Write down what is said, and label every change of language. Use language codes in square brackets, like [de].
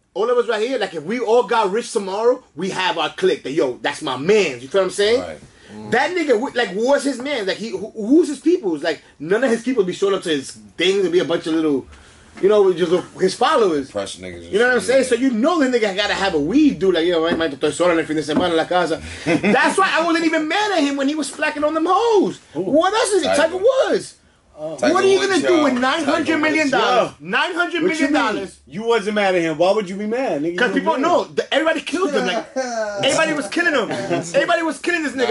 [en] All of us right here, like if we all got rich tomorrow, we have our clique. That yo, that's my man. You feel what I'm saying? Right. Mm. That nigga, like, was his man. Like, who's his people? It's like, none of his people be showing up to his thing to be a bunch of little, you know, just his followers. Press niggas. You know what I'm saying? So you know the nigga gotta have a weed, dude. Like, yo, man, [es] estoy solo en el fin de semana en la casa. [en] That's why I wasn't even mad at him when he was flacking on them hoes. What else is it? Tiger Woods. What are you going to do with $900 million? $900 million. You wasn't mad at him. Why would you be mad? Because people know. Everybody killed him. Like, everybody was killing him. Everybody was killing this nigga.